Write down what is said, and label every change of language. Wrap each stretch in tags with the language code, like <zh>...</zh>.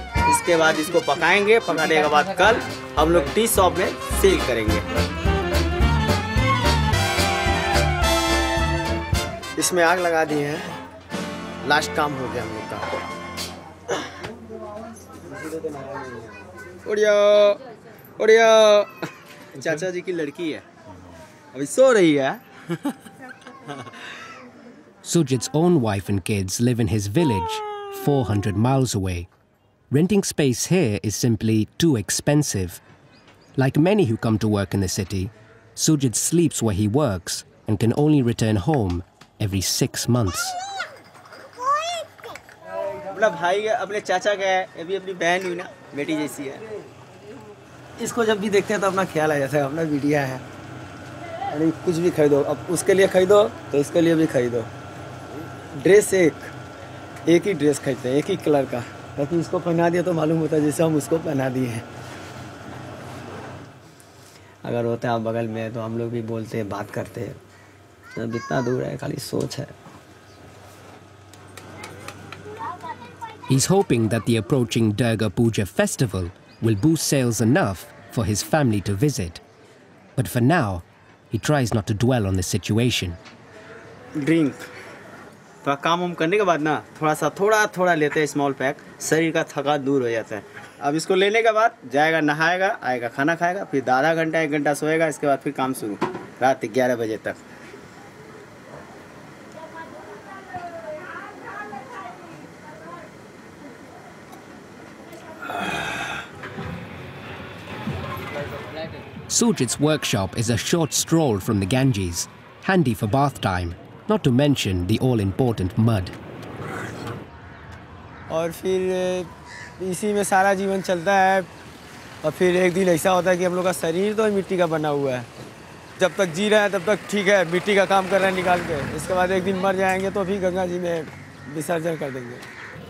<hi>इसके बाद इसको पकाएंगे पकाने के बाद कल हम लोग टी शॉप में सेल करेंगे इसमें आग लगा दी है लास्ट काम हो गया हम लोग का उड़िया चाचा जी की लड़की है अभी सो रही है</hi> <en>Sujit's own wife and kids live in his village 400 miles away Renting space here is simply too expensive. Like many who come to work in the city, Sujit sleeps where he works and can only return home every 6 months.</en> <hi>मतलब भाई अपने चाचा का है, अभी अपनी बहन हुई ना, बेटी जैसी है। इसको जब भी देखते हैं तो अपना ख्याल आ जाता है, अपना बिटिया है। अरे कुछ भी खरीदो, अब उसके लिए खरीदो तो इसके लिए भी खरीदो। ड्रेस एक ही ड्रेस खरीदते हैं, एक ही कलर का, ताकि उसको पहना दिया तो मालूम होता है जैसे हम उसको पहना दिए हैं। अगर होते आप बगल में तो हम लोग भी बोलते हैं, बात करते हैं। जब इतना दूर है, खाली सोच है।</hi> <en>He's hoping that the approaching Durga Puja festival will boost sales enough for his family to visit. But for now, he tries not to dwell on the situation. Drink.</en> <hi>तो काम हम करने के बाद ना थोड़ा सा थोड़ा थोड़ा लेते हैं</hi> <en>small pack.</en> <hi>शरीर का थकान दूर हो जाता है. अब इसको लेने के बाद जाएगा नहाएगा, आएगा खाना खाएगा, फिर आधा घंटा एक घंटा सोएगा, इसके बाद फिर काम शुरू रात 11 बजे तक.</hi> <en>Sujit's workshop is a short stroll from the Ganges, handy for bath time, not to mention the all-important mud.</en> <hi>और फिर इसी में सारा जीवन चलता है, और फिर एक दिन ऐसा होता है कि हम लोग का शरीर तो मिट्टी का बना हुआ है. जब तक जी रहे हैं तब तक ठीक है, मिट्टी का काम कर रहे हैं निकाल के. इसके बाद एक दिन मर जाएंगे तो फिर गंगा जी में विसर्जन कर देंगे.</hi>